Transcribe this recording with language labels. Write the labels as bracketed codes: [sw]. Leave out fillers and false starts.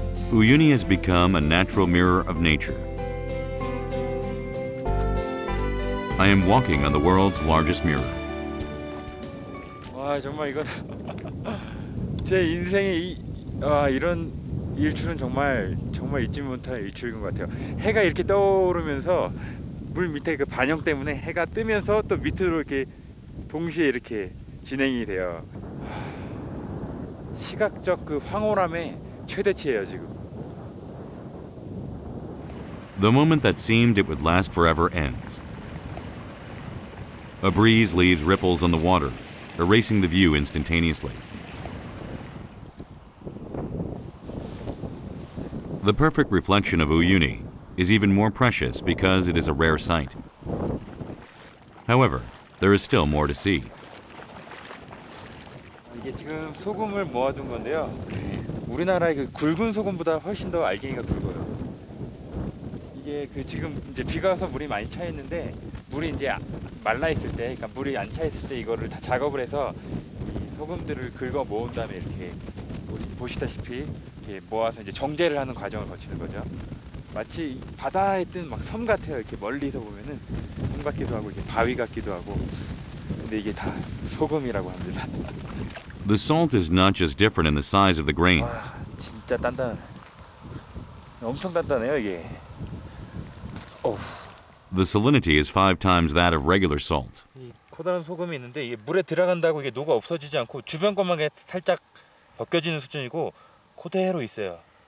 [en] Uyuni has become a natural mirror of nature. I am walking on the world's largest mirror. [ko] Wow, 정말 이건 제 인생의 이런 일출은 정말 정말 잊지 못할 일출인 것 같아요. 해가 이렇게 떠오르면서 물 밑에 그 반영 때문에 해가 뜨면서 또 밑으로 이렇게 동시에 이렇게 진행이 돼요. 시각적 그 황홀함의 최대치예요 지금. [en] The moment that seemed it would last forever ends. A breeze leaves ripples on the water, erasing the view instantaneously. The perfect reflection of Uyuni is even more precious because it is a rare sight. However, there is still more to see. [ko] 이게 지금 소금을 모아둔 건데요. 우리나라의 그 굵은 소금보다 훨씬 더 알갱이가 굵어요. 이게 그 지금 이제 비가 와서 물이 많이 차 있는데 물이 이제 말라 있을 때, 그러니까 물이 안 차 있을 때 이거를 다 작업을 해서 이 소금들을 긁어 모은 다음에 이렇게 보시다시피 이렇게 모아서 이제 정제를 하는 과정을 거치는 거죠. 마치 바다에 뜬 막 섬 같아요. 이렇게 멀리서 보면은 섬 같기도 하고 이렇게 바위 같기도 하고. 근데 이게 다 소금이라고 합니다. [en] The salt is not just different in the size of the grains. [ko] 와, 진짜 단단해. 엄청 단단해요 이게. 오. [en] The salinity is 5 times that of regular salt. [ko] 이 커다란 소금이 있는데 이게 물에 들어간다고 이게 녹아 없어지지 않고 주변 것만 살짝 벗겨지는 수준이고 그대로 있어요.